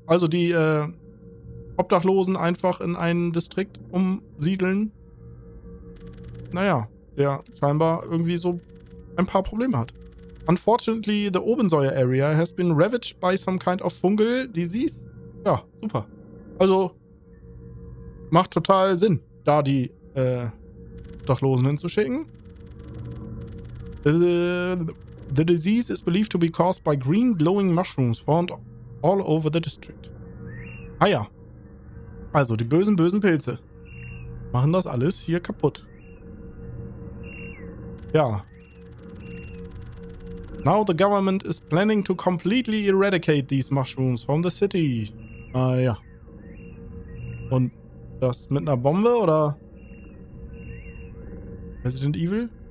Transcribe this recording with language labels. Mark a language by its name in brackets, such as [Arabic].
[German] Also die Obdachlosen einfach in einen Distrikt umsiedeln. Naja, der scheinbar irgendwie so ein paar Probleme hat. [English] Unfortunately, the Obensäuer area has been ravaged by some kind of fungal disease. [German] Ja, super. Also, macht total Sinn, da die Obdachlosen hinzuschicken. [English] The disease is believed to be caused by green glowing mushrooms found all over the district. [German] Ah ja. Also, die bösen, bösen Pilze machen das alles hier kaputt. Ja. [English] Now the government is planning to completely eradicate these mushrooms from the city. [German] Ah ja. Und das mit einer Bombe oder... Resident Evil?